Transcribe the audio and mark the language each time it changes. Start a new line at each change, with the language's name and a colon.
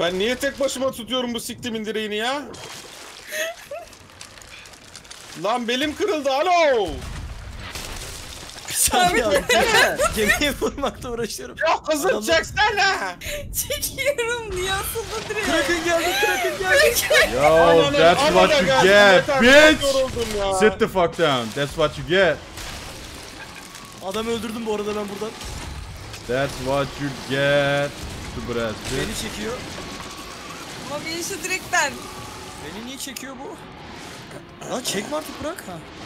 Turkish: Ben niye tek başıma tutuyorum bu siktimin direğini ya? Lan belim kırıldı, alo! Sen yaptın. Gemiyi vurmakta uğraşıyorum. Yok kızım, çeksen ha. Çekiyorum niye aslında direkt. Kraken geldi.
English: Yo, that's what you get, bitch. Sit the fuck down. That's what you get.
Turkish: Adam öldürdüm bu arada ben buradan.
English: That's what you get. The breath.
Turkish: Beni çekiyor. Ama beni şu direkten. Beni niye çekiyor bu? Lan çekme artık, bırak ha.